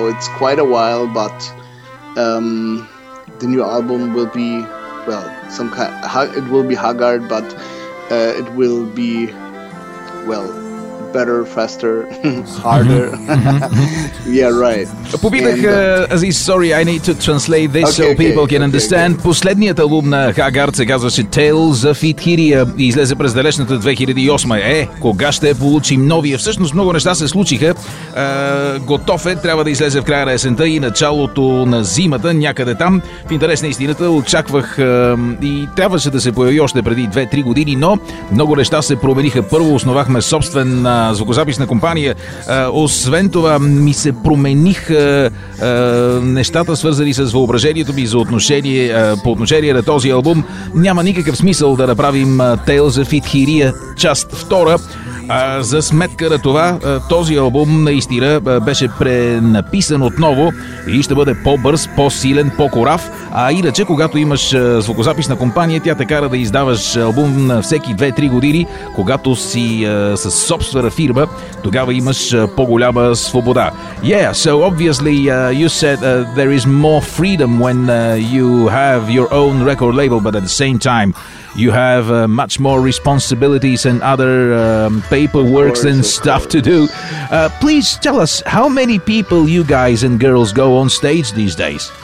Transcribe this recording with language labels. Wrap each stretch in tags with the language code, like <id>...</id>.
<en>So it's quite a while, but the new album will be, well, some kind. It will be Haggard, but it will be, well, better, faster, harder. Yeah, right.</en> <bg>Попитах,</bg> <en>Aziz, sorry, I need to translate this so people can understand. Okay.</en> <bg>Последният албум на Haggard се казваше Tales of Etheria и излезе през далечната 2008. Кога ще получим новия? Всъщност много неща се случиха. Готов е, трябва да излезе в края на есента и началото на зимата, някъде там. В интерес на истината, очаквах и трябваше да се появи още преди 2-3 години, но много неща се промениха. Първо основахме собствен звукозаписна компания. Освен това, ми се промених нещата, свързани с въображението ми за отношение по отношение на този албум. Няма никакъв смисъл да направим Tales of Etheria част 2. За сметка на това, този албум наистина беше пренаписан отново и ще бъде по-бърз, по-силен, по-корав. А иначе, когато имаш звукозаписна компания, тя те кара да издаваш албум на всеки 2-3 години. Когато си със собствена фирма, тогава имаш по-голяма свобода.</bg> <en>Yeah, so obviously you said there is more freedom when you have your own record label, but at the same time you have much more responsibilities and other paperwork and stuff to do. Please tell us, how many people you guys and girls go on stage these days?</en>